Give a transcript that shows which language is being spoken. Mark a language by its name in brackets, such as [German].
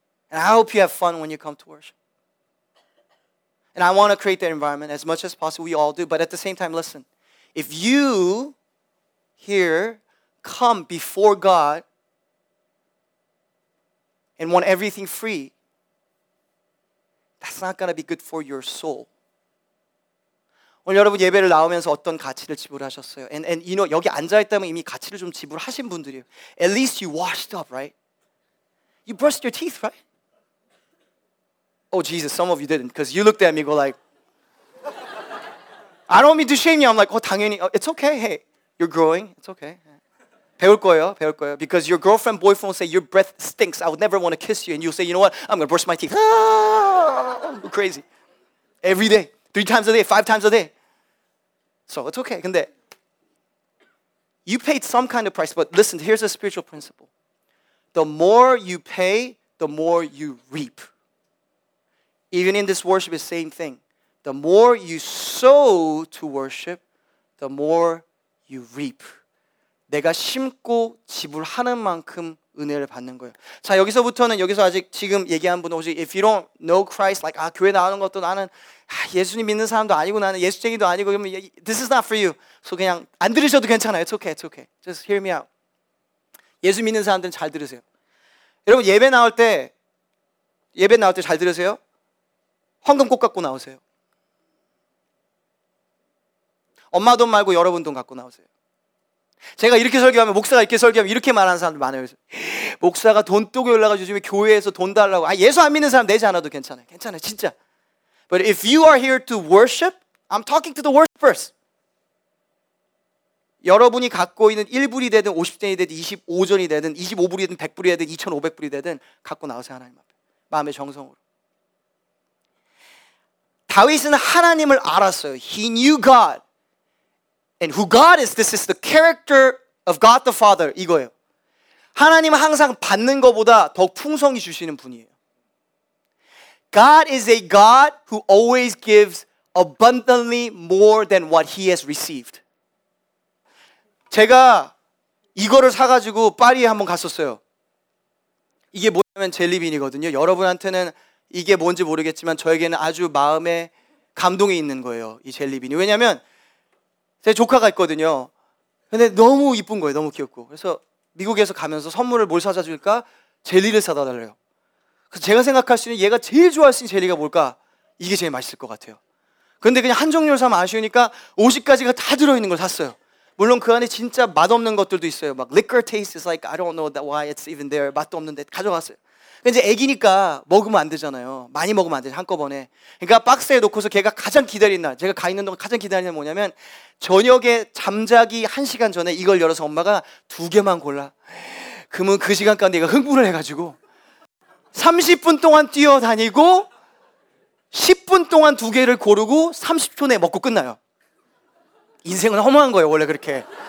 [English] And I hope you have fun when you come to worship. And I want to create that environment as much as possible. We all do. But at the same time, listen. If you here come before God and want everything free, that's not going to be good for your soul. [Korean] 오늘 여러분 예배를 나오면서 어떤 가치를 지불하셨어요? [English] And you know, [Korean] 여기 앉아있다면 이미 가치를 좀 지불하신 분들이에요. [English] At least you washed up, right? You brushed your teeth, right? Oh, Jesus, some of you didn't. Because you looked at me, go like, I don't mean to shame you. I'm like, oh, [Korean] 당연히. [English] Oh, it's okay, hey. You're growing, it's okay. Yeah. [Korean] 배울 거예요, 배울 거예요. [English] Because your girlfriend, boyfriend will say, your breath stinks. I would never want to kiss you. And you'll say, you know what? I'm going to brush my teeth. Go crazy. Every day. Three times a day, five times a day. So it's okay. 근데 you paid some kind of price, but listen, here's a spiritual principle. The more you pay, the more you reap. Even in this worship, it's the same thing. The more you sow to worship, the more you reap. [Korean] 내가 심고 지불하는 만큼 은혜를 받는 거예요. 자, 여기서부터는 여기서 아직 지금 얘기한 분은 혹시 [English] if you don't know Christ, like [Korean] 아, 교회 나오는 것도 나는 아, 예수님 믿는 사람도 아니고 나는 예수쟁이도 아니고 그러면 [English] this is not for you. [Korean] So 그냥 안 들으셔도 괜찮아요. [English] It's okay, it's okay. Just hear me out. [Korean] 예수 믿는 사람들은 잘 들으세요. 여러분 예배 나올 때 잘 들으세요? 헌금 꼭 갖고 나오세요. 엄마 돈 말고 여러분 돈 갖고 나오세요. 제가 이렇게 설교하면, 목사가 이렇게 설교하면 이렇게 말하는 사람들 많아요. 목사가 돈 뜨고 연락하죠. 요즘에 교회에서 돈 달라고. 아, 예수 안 믿는 사람 내지 않아도 괜찮아요. 괜찮아요, 진짜. [English] But if you are here to worship, I'm talking to the worshipers. [Korean] 여러분이 갖고 있는 1불이 되든 50전이 되든 25전이 되든 25불이든 100불이 되든 2500불이 되든 갖고 나오세요, 하나님 앞에. 마음의 정성으로. 다윗은 하나님을 알았어요. [English] He knew God. And who God is, this is the character of God the Father. [Korean] 이거예요. 하나님은 항상 받는 것보다 더 풍성히 주시는 분이에요. [English] God is a God who always gives abundantly more than what he has received. [Korean] 제가 이거를 사가지고 파리에 한번 갔었어요. 이게 뭐냐면 젤리빈이거든요. 여러분한테는 이게 뭔지 모르겠지만 저에게는 아주 마음에 감동이 있는 거예요. 이 젤리빈이. 왜냐면 제 조카가 있거든요. 근데 너무 이쁜 거예요. 너무 귀엽고. 그래서 미국에서 가면서 선물을 뭘 사다 줄까? 젤리를 사다 달래요. 그래서 제가 생각할 수 있는 얘가 제일 좋아할 수 있는 젤리가 뭘까? 이게 제일 맛있을 것 같아요. 근데 그냥 한 종류를 사면 아쉬우니까 50가지가 다 들어있는 걸 샀어요. 물론 그 안에 진짜 맛없는 것들도 있어요. [English] 막 liquor taste is like I don't know why it's even there. [Korean] 맛도 없는데 가져갔어요. 근데 애기니까 먹으면 안 되잖아요. 많이 먹으면 안 되죠. 한꺼번에. 그러니까 박스에 놓고서 걔가 가장 기다리는 날, 제가 가 있는 동안 가장 기다리는 날 뭐냐면 저녁에 잠자기 한 시간 전에 이걸 열어서 엄마가 두 개만 골라. 그러면 그 시간까지 내가 흥분을 해가지고 30분 동안 뛰어다니고 10분 동안 두 개를 고르고 30초 내에 먹고 끝나요. 인생은 허무한 거예요. 원래 그렇게.